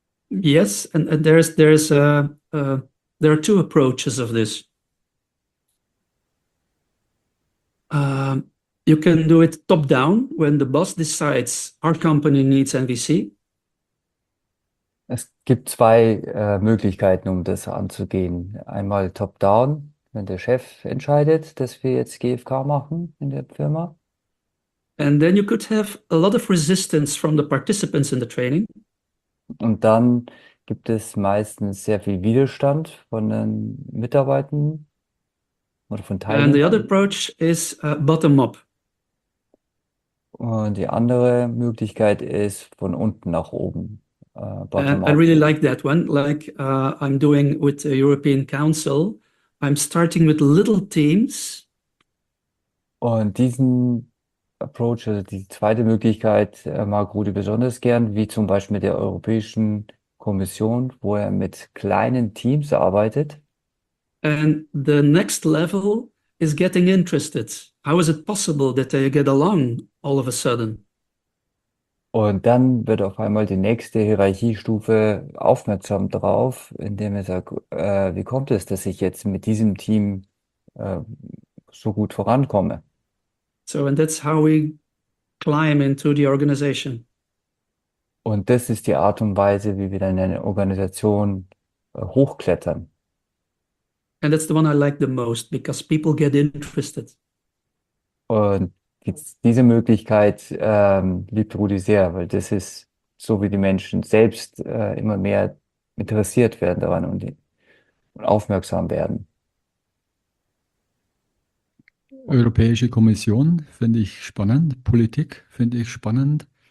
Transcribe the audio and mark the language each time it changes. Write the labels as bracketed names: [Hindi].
[English] Yes, and there are two approaches of this. You can do it top down when the boss decides our company needs MVC. [German] Es gibt zwei Möglichkeiten, um das anzugehen. Einmal top-down, wenn der Chef entscheidet, dass wir jetzt GFK machen in der Firma. [English] And then you could have a lot of resistance from the participants in the training. [German] Und dann gibt es meistens sehr viel Widerstand von den Mitarbeitern oder von [English] And the other approach is bottom up. [German] Und die andere Möglichkeit ist von unten nach oben, [English] And bottom I really like that one, like I'm doing with the European Council. I'm starting with little teams. [German] Und diesen Approach, also die zweite Möglichkeit, mag Rudi besonders gern, wie zum Beispiel mit der Europäischen Kommission, wo er mit kleinen Teams arbeitet. [English] And the next level is getting interested. How is it possible that they get along all of a sudden? [German] Und dann wird auf einmal die nächste Hierarchiestufe aufmerksam drauf, indem er sagt, wie kommt es, dass ich jetzt mit diesem Team so gut vorankomme? [English] So, and that's how we climb into the organization. [German] Und das ist die Art und Weise, wie wir dann in eine Organisation hochklettern. [English] And that's the one I like the most because people get interested. [German] Und diese Möglichkeit liebt Rudi sehr, weil das ist so, wie die Menschen selbst immer mehr interessiert werden daran und aufmerksam werden. Europäische Kommission finde ich spannend, Politik finde ich spannend.